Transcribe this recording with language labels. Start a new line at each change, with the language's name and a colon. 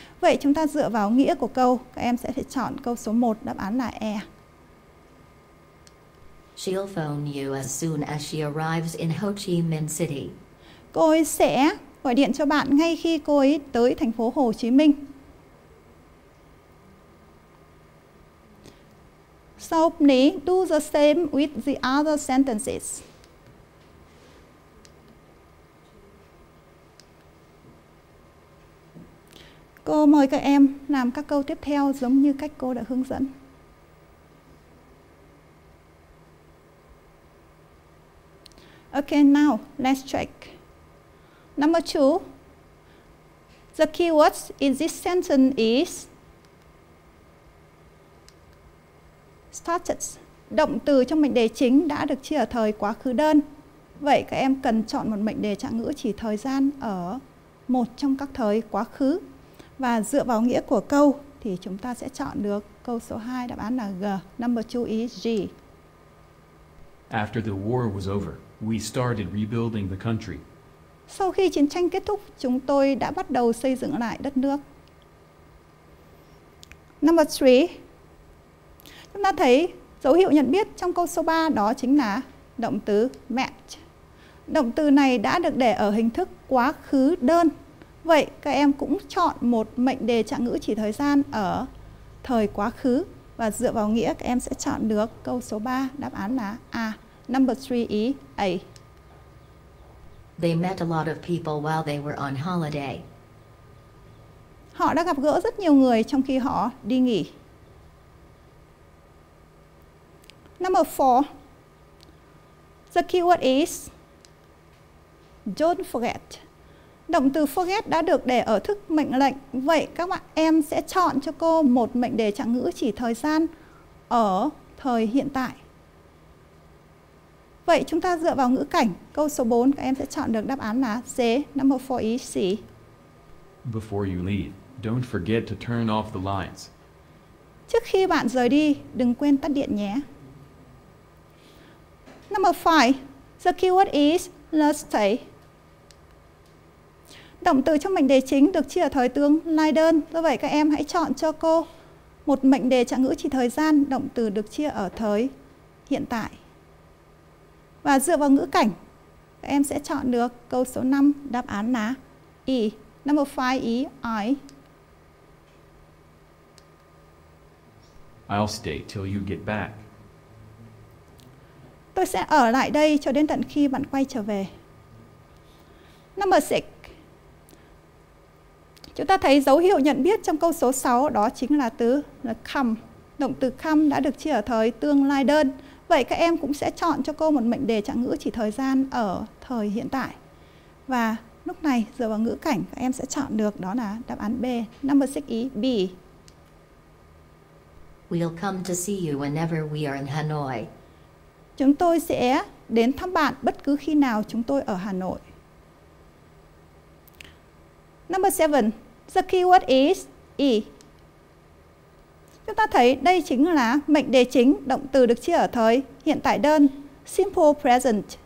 Vietnamese: Vậy chúng ta dựa vào nghĩa của câu, các em sẽ phải chọn câu số 1, đáp án là E.
English: She'll phone you as soon as she arrives in Ho Chi Minh City.
Vietnamese: Cô ấy sẽ gọi điện cho bạn ngay khi cô ấy tới thành phố Hồ Chí Minh.
English: So please do the same with the other sentences.
Vietnamese: Cô mời các em làm các câu tiếp theo giống như cách cô đã hướng dẫn.
English: Okay, now let's check. Number two. The keywords in this sentence is started.
Vietnamese: Động từ trong mệnh đề chính đã được chia ở thời quá khứ đơn. Vậy các em cần chọn một mệnh đề trạng ngữ chỉ thời gian ở một trong các thời quá khứ. Và dựa vào nghĩa của câu thì chúng ta sẽ chọn được câu số 2, đáp án là G.
English: Number 2 is G. After the war was over, we started rebuilding the country.
Vietnamese: Sau khi chiến tranh kết thúc, chúng tôi đã bắt đầu xây dựng lại đất nước.
English: Number 3.
Vietnamese: Chúng ta thấy dấu hiệu nhận biết trong câu số 3 đó chính là động từ met. Động từ này đã được để ở hình thức quá khứ đơn. Vậy các em cũng chọn một mệnh đề trạng ngữ chỉ thời gian ở thời quá khứ, và dựa vào nghĩa các em sẽ chọn được câu số 3, đáp án là A.
English: Number 3 is A. They met a lot of people while they were on holiday.
Vietnamese: Họ đã gặp gỡ rất nhiều người trong khi họ đi nghỉ.
English: Number 4. The keyword is don't forget.
Vietnamese: Động từ forget đã được để ở thức mệnh lệnh. Vậy các bạn em sẽ chọn cho cô một mệnh đề trạng ngữ chỉ thời gian ở thời hiện tại. Vậy chúng ta dựa vào ngữ cảnh, câu số 4 các em sẽ chọn được đáp án là C.
English: Number 4 is C. Before you leave, don't forget to turn off the lights.
Vietnamese: Trước khi bạn rời đi, đừng quên tắt điện nhé.
English: Number 5. The keyword is let's stay.
Vietnamese: Động từ trong mệnh đề chính được chia ở thời tương lai đơn. Do vậy các em hãy chọn cho cô một mệnh đề trạng ngữ chỉ thời gian, động từ được chia ở thời hiện tại. Và dựa vào ngữ cảnh, các em sẽ chọn được câu số 5, đáp án là E.
English: Number 5 E, I. I'll stay till you get back.
Vietnamese: Tôi sẽ ở lại đây cho đến tận khi bạn quay trở về.
English: Number 6.
Vietnamese: Chúng ta thấy dấu hiệu nhận biết trong câu số 6 đó chính là từ là come. Động từ come đã được chia ở thời tương lai đơn. Vậy các em cũng sẽ chọn cho cô một mệnh đề trạng ngữ chỉ thời gian ở thời hiện tại. Và lúc này dựa vào ngữ cảnh các em sẽ chọn được đó là đáp án B.
English: Number 6 E, B. We'll come to see you whenever we are in Hanoi.
Vietnamese: Chúng tôi sẽ đến thăm bạn bất cứ khi nào chúng tôi ở Hà Nội.
English: Number 7. The keyword is E.
Vietnamese: Chúng ta thấy đây chính là mệnh đề chính, động từ được chia ở thời hiện tại đơn, simple present.